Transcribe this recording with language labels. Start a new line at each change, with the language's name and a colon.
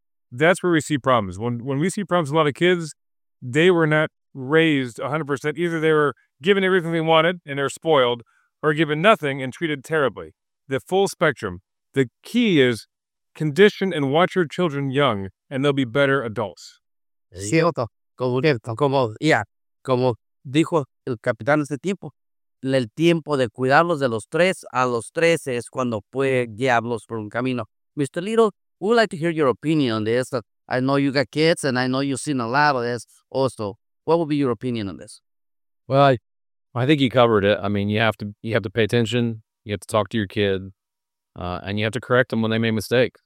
English: That's where we see problems. When we see problems with a lot of kids, they were not raised 100%. Either they were given everything they wanted and they're spoiled, or given nothing and treated terribly. The full spectrum. The key is condition and watch your children young, and they'll be better adults.
Spanish: Cierto. Como yeah, como dijo el capitán ese tiempo, el tiempo de cuidarlos de los tres a los trece es cuando puede guiarlos por un camino.
English: Mr. Little, we'd like to hear your opinion on this. I know you got kids, and I know you've seen a lot of this also. What would be your opinion on this? Well, I think you covered it. I mean, you have to pay attention. You have to talk to your kid, and you have to correct them when they make mistakes.